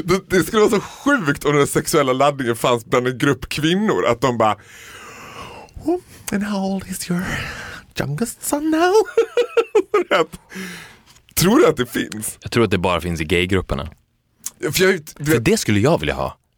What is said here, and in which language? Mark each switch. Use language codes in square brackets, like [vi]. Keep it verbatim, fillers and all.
[sv] Det skulle vara så sjukt om den sexuella laddningen fanns bland en grupp kvinnor. Att de bara [en] oh, and how old is your youngest son now? [sv] Tror du att det finns? Jag tror att det bara finns i gaygrupperna. För, jag, vet, För det skulle jag vilja ha.